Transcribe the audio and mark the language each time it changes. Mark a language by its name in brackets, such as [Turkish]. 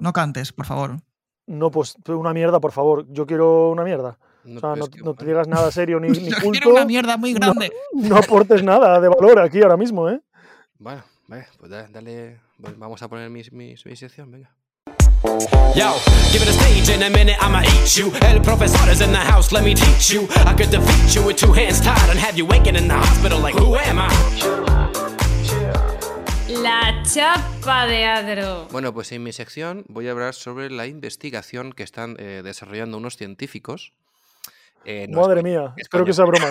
[Spanish] No cantes, por favor. No, pues una mierda, por favor. Yo quiero una mierda. No, o sea, no te digas nada serio ni yo culto. Quiero una mierda muy grande. No aportes nada de valor aquí ahora mismo, ¿eh? Bueno, pues dale. Pues vamos a poner mi sección, venga. [English] Yo, give it a stage in a minute, I'ma eat you. [Spanish] El profesor [English] is in the house, let me teach you. I could defeat you with two hands tied and have you waking in the hospital like, who am I? [Spanish] La chapa de Adro. Bueno, pues en mi sección voy a hablar sobre la investigación que están desarrollando unos científicos. No, madre mía, espero que sea broma.